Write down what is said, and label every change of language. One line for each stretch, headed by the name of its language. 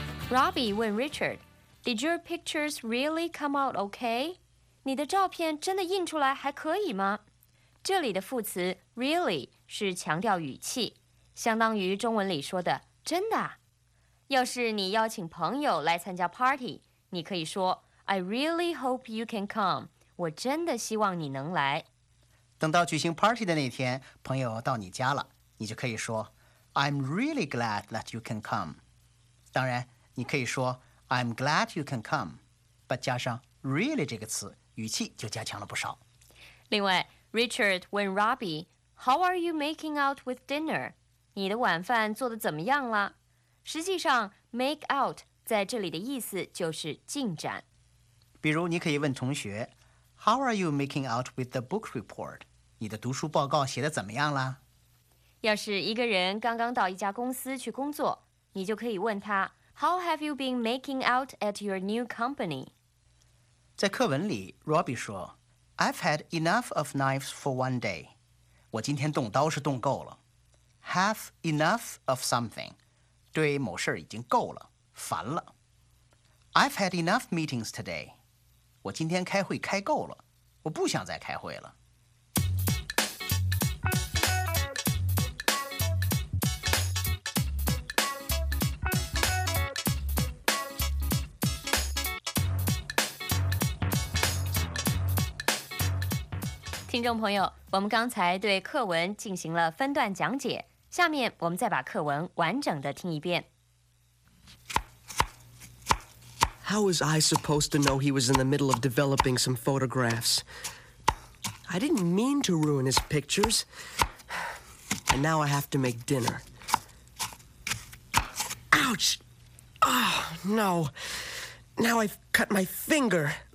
English: Robbie 问 Richard, Did your pictures really come out okay?
Chinese: 你的照片真的印出来还可以吗？这里的副词 really 是强调语气，相当于中文里说的真的。要是你邀请朋友来参加 party, 你可以说
English: I really hope you can come,
Chinese: 我真的希望你能来。等到举行 party 的那天，朋友到你家了，你就可以说
English: I'm really glad that you can come.
Chinese: 当然你可以说
English: I'm glad you can come, but
Chinese: 加上 really 这个词，语气就加强了不少。
English: 另外 ，Richard 问 Robbie, "How are you making out with dinner?"
Chinese: 你的晚饭做得怎么样了？实际上 ，make out 在这里的意思就是进展。
English: 比如，你可以问同学 ，"How are you making out with the book report?"
Chinese: 你的读书报告写得怎么样了？要是一个人刚刚到一家公司去工作，你就可以问他。
English: How have you been making out at your new company? 在课文里 ，Robbie 说 ，I've had enough of knives for one day.
Chinese: 我今天动刀是动够了。
English: Have enough of something，
Chinese: 对某事已经够了，烦了。
English: I've had enough meetings today.
Chinese: 我今天开会开够了，我不想再开会了。听众朋友，我们刚才对课文进行了分段讲解，下面我们再把课文完整的听一遍。
English: How was I supposed to know he was in the middle of developing some photographs? I didn't mean to ruin his pictures. And now I have to make dinner. Ouch! Oh, no. Now I've cut my finger.